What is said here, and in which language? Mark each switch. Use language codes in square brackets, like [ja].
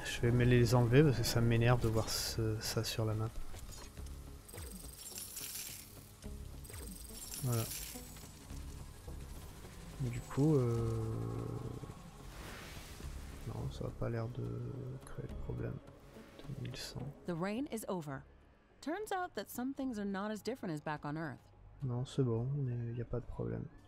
[fr] Je vais les enlever parce que ça m'énerve de voir ça sur la map. Voilà. Du coup, non, ça n'a pas l'air de créer de problème. 2100. [en] The rain is over. Turns out that some things are not as different as back on Earth. [fr] Non, c'est bon, mais il n'y a pas de problème.